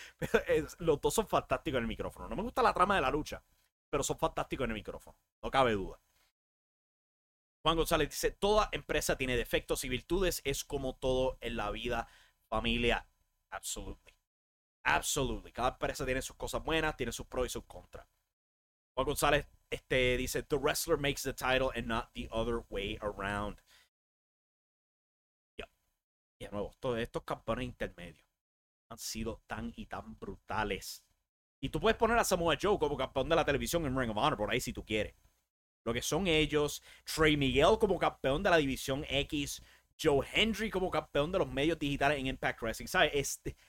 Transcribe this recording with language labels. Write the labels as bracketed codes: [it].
[es] Pero los dos son fantásticos en el micrófono. No me gusta la trama de la lucha, pero son fantásticos en el micrófono. No cabe duda. Juan González dice, toda empresa tiene defectos y virtudes. Es como todo en la vida, familia. Absolutamente. [en] Absolutely. [es] Cada empresa tiene sus cosas buenas, tiene sus pros y sus contras. [en] Juan González [es] dice, [en] the wrestler makes the title and not the other way around. [es] Y de nuevo, todos estos campeones intermedios han sido tan y tan brutales. Y tú puedes poner a Samoa Joe como campeón de la televisión en Ring of Honor, por ahí si tú quieres. Lo que son ellos, Trey Miguel como campeón de la división X, Joe Hendry como campeón de los medios digitales en Impact Wrestling, ¿sabes?